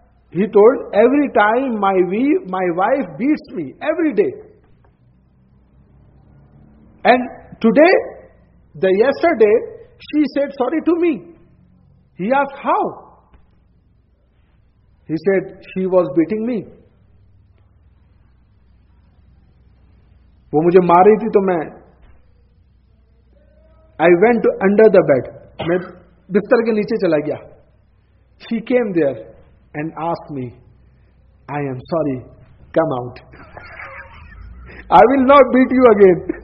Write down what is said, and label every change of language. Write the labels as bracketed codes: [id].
[en] He told, every time my wife beats me, every day. And today, the yesterday, she said sorry to me. He asked how. He said, she was beating me. [hi] वो मुझे मार रही थी तो मैं [en] I went under the bed. [hi] मैं बिस्तर के नीचे चला गया. [en] She came there and asked me, I am sorry, come out. I will not beat you again.